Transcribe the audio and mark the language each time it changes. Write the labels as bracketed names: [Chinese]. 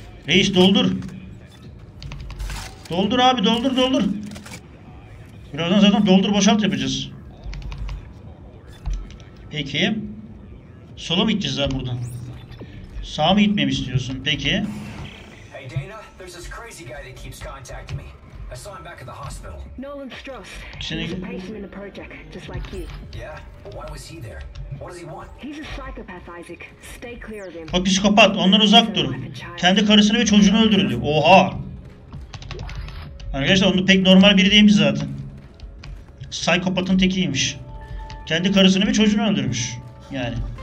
[Turkish] Reis doldur. Doldur abi doldur doldur. Birazdan zaten doldur boşalt yapacağız. Peki. Sola mı gideceğiz lan buradan? Sağa mı gitmemi istiyorsun? Peki. [English] Hey Dana, there's this crazy guy that keeps contacting me. I saw him back at the hospital. Nolan Struss. [Turkish] Şimdi... [English] He's a patient in the project, just like you. Yeah, but why was he there? What does he want? He's a psychopath, Isaac. Stay clear of him. [Turkish] O psikopat, ondan uzak dur. Kendi karısını ve çocuğunu öldürdü. Oha! Arkadaşlar onu pek normal biri değilmiş zaten. Psikopatın tekiymiş. Kendi karısını ve çocuğunu öldürmüş. Yani.